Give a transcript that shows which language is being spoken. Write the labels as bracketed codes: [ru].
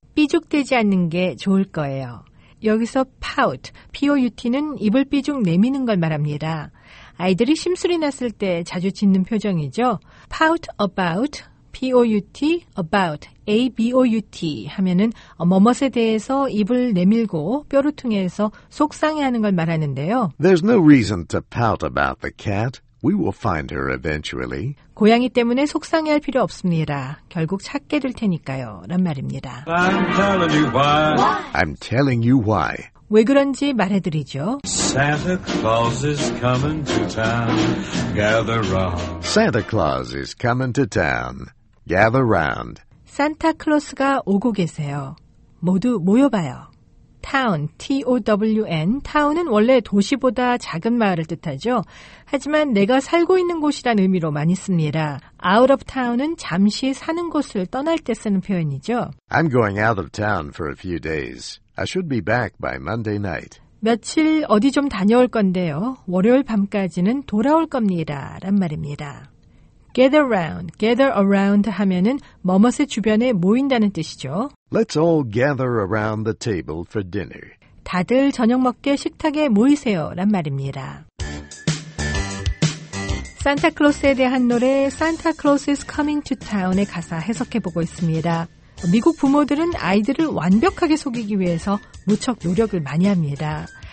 [ko] 삐죽대지 않는 게 좋을 거예요. 여기서 pout, P-O-U-T는 입을 삐죽 내미는 걸 말합니다. 아이들이 심술이 났을 때 자주 짓는 표정이죠. pout about, P-O-U-T, about, A-B-O-U-T 하면은 뭐뭇에 대해서 입을 내밀고 뾰루퉁해서 속상해하는 걸 말하는데요. [en] There's no reason to pout about the cat. We will find her eventually. [ko] 고양이 때문에 속상해할 필요 없습니다. 결국 찾게 될 테니까요. 란 말입니다. [en] I'm telling you why. What? I'm telling you why. [ko] 왜 그런지 말해드리죠. [en] Santa Claus is coming to town. Gather round. Santa Claus is coming to town. Gather round. [ko] 산타클로스가 오고 계세요. 모두 모여봐요. Town, T-O-W-N. Town은 원래 도시보다 작은 마을을 뜻하죠. 하지만 내가 살고 있는 곳이란 의미로 많이 씁니다. Out of town은 잠시 사는 곳을 떠날 때 쓰는 표현이죠. [en] I'm going out of town for a few days. I should be back by Monday night. [ko] 며칠 어디 좀 다녀올 건데요. 월요일 밤까지는 돌아올 겁니다. 란 말입니다. Gather round, gather around 하면은 뭐뭇의 주변에 모인다는 뜻이죠. [en] Let's all gather around the table for dinner. [ko] 다들 저녁 먹게 식탁에 모이세요. 란 말입니다. 산타클로스에 대한 노래 Santa Claus is coming to town의 가사 해석해보고 있습니다. 미국 부모들은 아이들을 완벽하게 속이기 위해서 무척 노력을 많이 합니다.